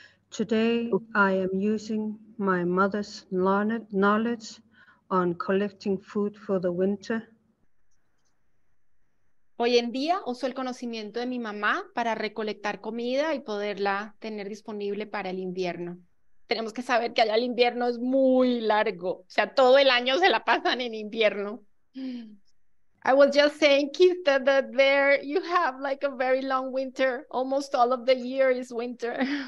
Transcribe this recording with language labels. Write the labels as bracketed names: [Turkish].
[English] Today, I am using my mother's knowledge on collecting food for the winter. [Spanish] Hoy en día uso el conocimiento de mi mamá para recolectar comida y poderla tener disponible para el invierno. Tenemos que saber que allá el invierno es muy largo, o sea, todo el año se la pasan en invierno. [English] I was just saying, Kista, that there you have like a very long winter. Almost all of the year is winter.